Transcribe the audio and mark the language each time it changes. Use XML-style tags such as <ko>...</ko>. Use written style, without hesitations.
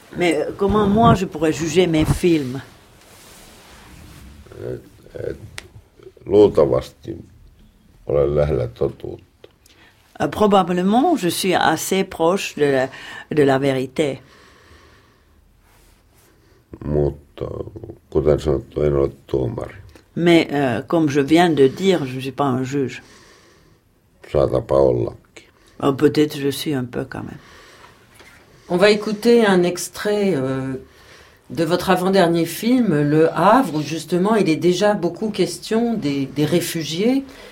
<fr>Mais comment moi je pourrais juger mes films?</fr> <fi>Luultavasti olen lähellä totuutta.</fi> <fr>Probablement je suis assez proche de la vérité.</fr> <fi>Mutta kuten sanottu, en ole tuomari.</fi> <fr>Mais comme je viens de dire, je ne suis pas un juge.</fr> <fi>Saatapa olla.</fi> <fr>Oh, peut-être je suis un peu quand même. On va écouter un extrait de votre avant-dernier film, Le Havre, où justement il est déjà beaucoup question des réfugiés.</fr>